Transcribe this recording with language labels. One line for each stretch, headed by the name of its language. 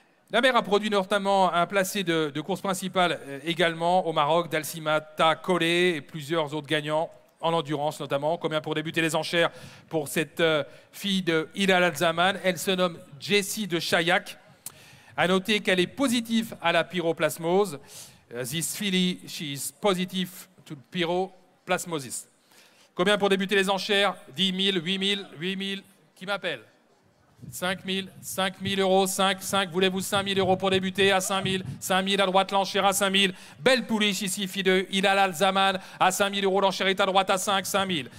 French: La mère a produit notamment un placé de course principale également au Maroc, d'Alcimata Kolé et plusieurs autres gagnants. En endurance notamment. Combien pour débuter les enchères pour cette fille de Hilal Al-Zaman? Elle se nomme Jessie de Chayak. À noter qu'elle est positive à la pyroplasmose.
English: This filly, she is positive to pyroplasmosis.
French: Combien pour débuter les enchères? 10 000, 8 000, 8 000. Qui m'appelle? 5 000, 5 000 euros, 5, 5. Voulez-vous 5 000 euros pour débuter? À 5 000, 5 000 à droite, l'enchère à 5 000. Belle pouliche ici, fille de Hilal Al-Zaman. À 5 000 euros, l'enchère est à droite à 5, 5 000.